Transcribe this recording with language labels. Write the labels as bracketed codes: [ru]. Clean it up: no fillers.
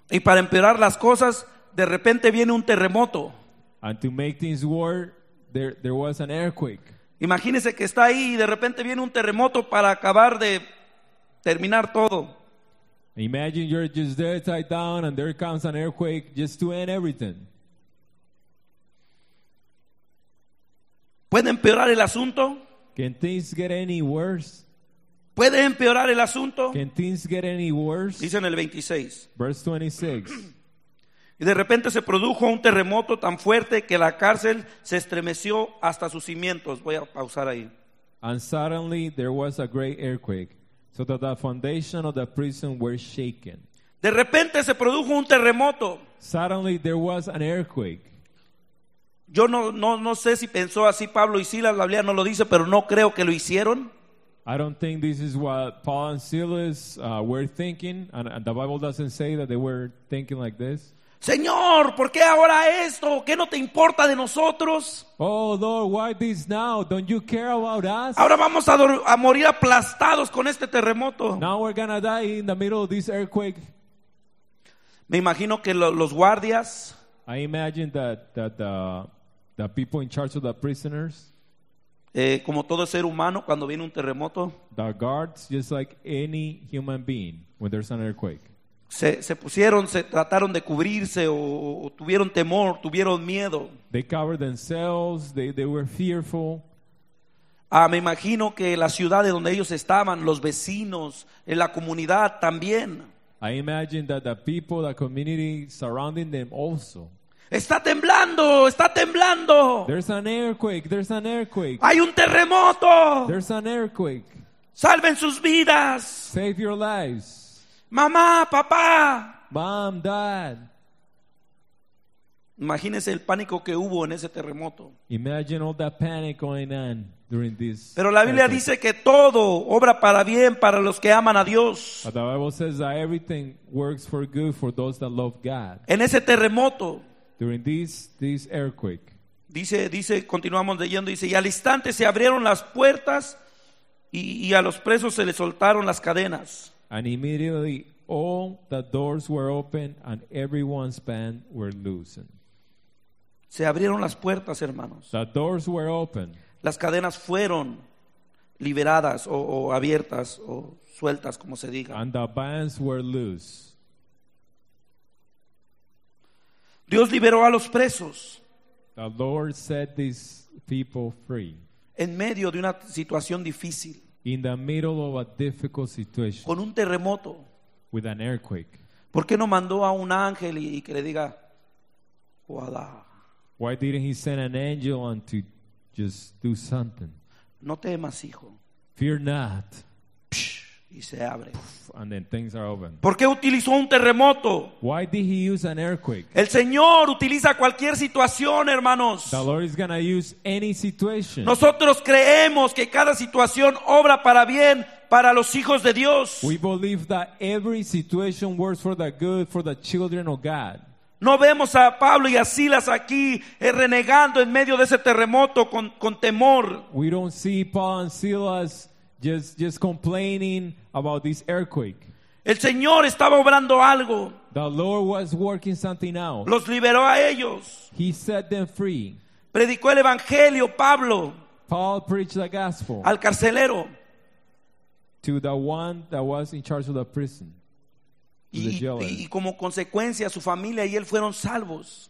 [es] Y para empeorar las cosas, de repente viene un terremoto. [en] And to make things worse, there was an earthquake. [es] Imagínese que está ahí y de repente viene un terremoto para acabar de terminar todo. [en] Imagine you're just there tied down and there comes an earthquake just to end everything. [es] ¿Puede empeorar el asunto? [en] Can things get any worse? [es] ¿Puede empeorar el asunto? [en] Can things get any worse? [es] Dice en el 26. [en] Verse 26. [es] Y de repente se produjo un terremoto tan fuerte que la cárcel se estremeció hasta sus cimientos. Voy a pausar ahí. [en] And suddenly there was a great earthquake, so that the foundation of the prison were shaken. [es] De repente se produjo un terremoto. [en] Suddenly there was an earthquake. [es] Yo no sé si pensó así Pablo y Silas, la Biblia no lo dice, pero no creo que lo hicieron. [en] I don't think this is what Paul and Silas were thinking, and the Bible doesn't say that they were thinking like this. [es] Señor, ¿por qué ahora esto? ¿Qué no te importa de nosotros? [en] Oh, Lord, why this now? Don't you care about us? [es] Ahora vamos a morir aplastados con este terremoto. [en] Now we're gonna die in the middle of this earthquake. [es] Me imagino que los guardias. [en] I imagine that the people in charge of the prisoners. [es] Como todo ser humano cuando viene un terremoto. [en] The guards, just like any human being when there's an earthquake. [es] Se pusieron, se trataron de cubrirse o tuvieron temor, tuvieron miedo. [en] They covered themselves, they were fearful. [es] Me imagino que la ciudad de donde ellos estaban, los vecinos, en la comunidad también. [en] I imagine that the people, the community surrounding them also. [es] Está temblando, está temblando. [en] There's an earthquake, there's an earthquake. [es] Hay un terremoto. [en] There's an earthquake. [es] Salven sus vidas. [en] Save your lives. [es] Mamá, papá. [en] Mom, dad. [es] Imagínese el pánico que hubo en ese terremoto. [en] Imagine all that panic going on during this. [es] Pero la Biblia dice que todo obra para bien para los que aman a Dios. [en] But the Bible says that everything works for good for those that love God. [es] En ese terremoto. [en] During this earthquake. [es] Dice, continuamos leyendo, dice, y al instante se abrieron las puertas y a los presos se les soltaron las cadenas. [en] And immediately all the doors were open and everyone's bands were loosened. [es] Se abrieron las puertas, hermanos. [en] The doors were open. [es] Las cadenas fueron liberadas o abiertas o sueltas, como se diga. [en] And the bands were loose. [es] Dios liberó a los presos. [en] The Lord set these people free. [es] En medio de una situación difícil. [en] In the middle of a difficult situation. [es] Con un terremoto. [en] With an earthquake. [es] ¿Por qué no mandó a un ángel y que le diga, voilà? [en] Why didn't he send an angel and to just do something? [es] No temas, hijo. [en] Fear not. [es] Psh, y se abre. [en] Poof, and then things are open. [es] ¿Por qué utilizó un terremoto? [en] Why did he use an earthquake? [es] El Señor utiliza cualquier situación, hermanos. [en] The Lord is going to use any situation. [es] Nosotros creemos que cada situación obra para bien para los hijos de Dios. [en] We believe that every situation works for the good for the children of God. [es] No vemos a Pablo y a Silas aquí renegando en medio de ese terremoto con temor. [en] We don't see Paul and Silas just complaining about this earthquake. [es] El Señor estaba obrando algo. [en] The Lord was working something out. [es] Los liberó a ellos. [en] He set them free. [es] Predicó el evangelio Pablo. [en] Paul preached the gospel. [es] Al carcelero. [en] To the one that was in charge of the prison. [es] Y como consecuencia su familia y él fueron salvos.